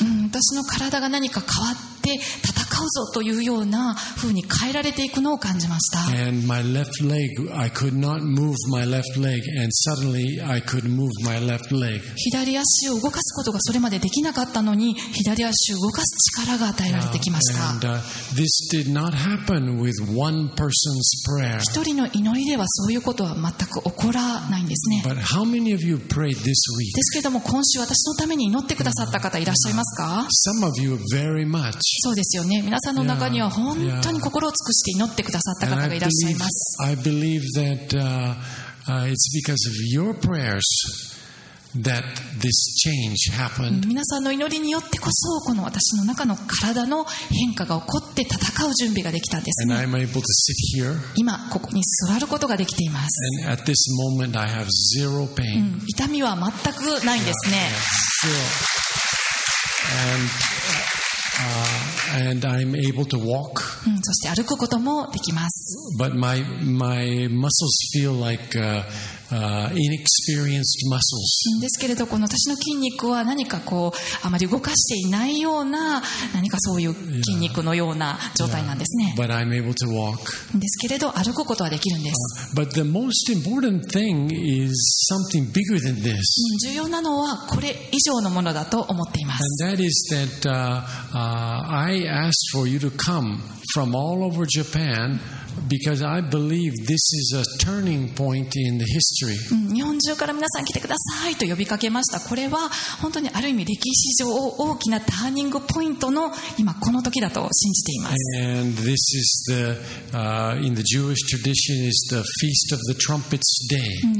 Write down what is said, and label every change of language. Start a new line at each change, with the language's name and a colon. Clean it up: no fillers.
Japanese: 私の体が何か変わってで戦うぞというような風に変えられていくのを感じました。
English: And my left leg, I could not move my left leg, and suddenly I could move my left leg.
Japanese: 左足を動かすことがそれまでできなかったのに、左足を動かす力が与えられてきました。
English: And, this did not happen with one person's prayer.
Japanese: 一人の祈りではそういうことは全く起こらないんですね。
English: But how many of you prayed this week?
Japanese: ですけれども今週私のために祈ってくださった方いらっしゃいますか？
English: Some of you very much.
Japanese: そうですよね、皆さんの中には本当に心を尽くして祈ってくださった方がいらっしゃいます。
English: I believe that, it's because of your prayers that this change happened.
Japanese: 皆さんの祈りによってこそこの私の中の体の変化が起こって戦う準備ができたんですね。
English: And I'm able to sit here.
Japanese: 今ここに座ることができています。
English: And at this moment I have zero pain.
Japanese: 痛みは全くないんですね。
English: Andand I'm able to walk.
Japanese: そして歩くこともできます。
English: But my muscles feel like, inexperienced muscles.
Japanese: ですけれど、この私の筋肉は何かこうあまり動かしていないような何かそういう筋肉のような状態なんですね。
English: But I'm able to walk.
Japanese: ですけれど、歩くことはできるんです。
English: But the most important thing is something bigger than this.
Japanese: 重要なのはこれ以上のものだと思っています。
English: And that is that I asked for you to come from all over Japan. Because I believe this is a turning point in the history.
Japanese: 日本中から皆さん来てくださいと呼びかけました。これは本当にある意味歴史上大きなターニングポイントの今この時だと信じています。
English: And this is the, in the Jewish tradition, is the Feast of the Trumpets Day.